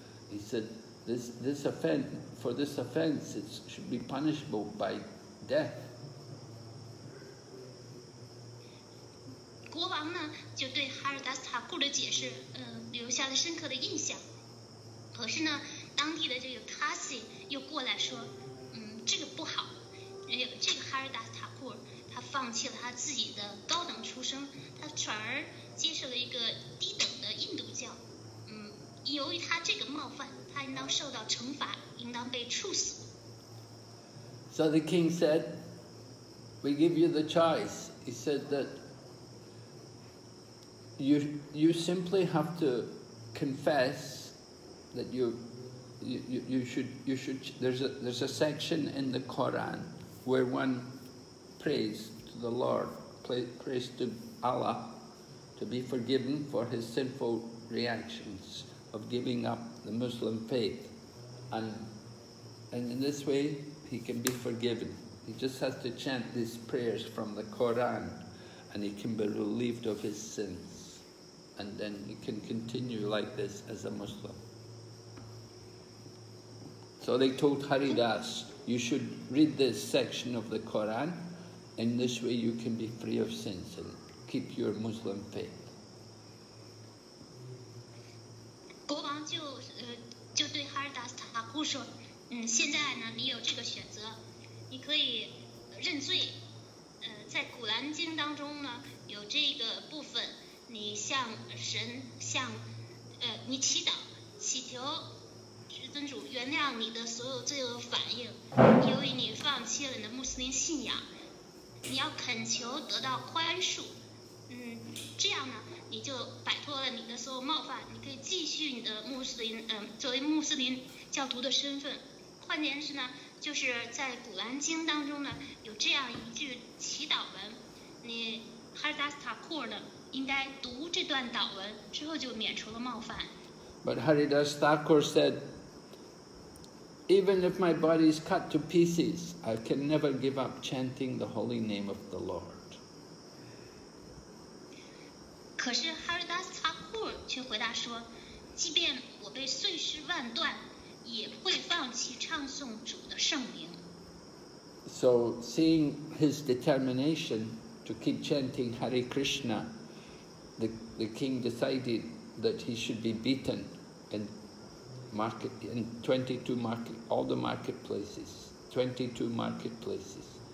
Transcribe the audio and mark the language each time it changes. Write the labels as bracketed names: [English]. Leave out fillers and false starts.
[English] He said, for this offense, it should be punishable by death. [Chinese] 国王呢，就对哈尔达斯塔库的解释，留下了深刻的印象。可是呢，当地的这个卡西又过来说，这个不好，这个哈尔达斯塔库他放弃了他自己的高等出生，他转而接受了一个低等的印度教。由于他这个冒犯，他应当受到惩罚，应当被处死。 [English] So the king said, "We give you the choice." He said that you simply have to confess that you should. There's a section in the Quran where one prays to the Lord, prays to Allah to be forgiven for his sinful reactions of giving up the Muslim faith. And in this way, he can be forgiven. He just has to chant these prayers from the Quran and he can be relieved of his sins. And then he can continue like this as a Muslim. So they told Haridas, you should read this section of the Quran. In this way, you can be free of sins and keep your Muslim faith. [Chinese] 国王就对哈尔达斯塔库说，现在呢，你有这个选择，你可以认罪。在古兰经当中呢，有这个部分，你向神向你祈祷，祈求至尊主原谅你的所有罪恶反应，由于你放弃了你的穆斯林信仰。你要恳求得到宽恕，这样呢，你就摆脱了你的所有冒犯，你可以继续你的穆斯林，作为穆斯林教徒的身份。换言之呢，就是在古兰经当中呢，有这样一句祈祷文，你哈尔达斯塔库呢，应该读这段祷文之后就免除了冒犯。 [English] But Haridas Thakur said, even if my body is cut to pieces, I can never give up chanting the holy name of the Lord. [Chinese] 可是哈尔达斯塔库却回答说，即便我被碎尸万段，也会放弃唱诵主的圣名。 [English] So seeing his determination to keep chanting Hare Krishna, the king decided that he should be beaten in market in 22 market all the marketplaces, 22 marketplaces.